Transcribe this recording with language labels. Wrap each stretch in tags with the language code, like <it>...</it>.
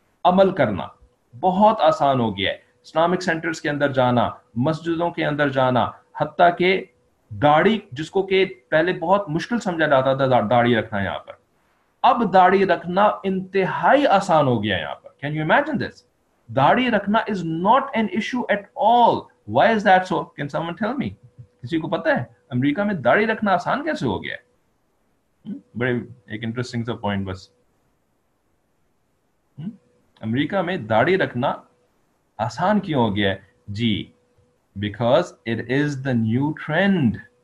<ur>عمل کرنا بہت آسان ہو گیا ہے, اسلامک سینٹرز کے اندر جانا, مسجدوں کے اندر جانا, حتیٰ کہ داڑھی جس کو کہ پہلے بہت مشکل سمجھا جاتا تھا داڑھی رکھنا یہاں پر, اب داڑھی رکھنا انتہائی آسان ہو گیا یہاں پر.</ur> <en>can you imagine this,</en> <ur>داڑھی رکھنا</ur> <en>Is not an issue at all. Why is that so? Can someone tell me,</en> <ur>کسی کو پتا ہے امریکہ میں داڑھی رکھنا آسان کیسے ہو گیا ہے؟ بڑے ایک انٹرسٹنگ سا پوائنٹ, بس امریکہ میں داڑھی رکھنا آسان کیوں ہو گیا ہے؟ جی,</ur> <en>Because it is the new trend.</en>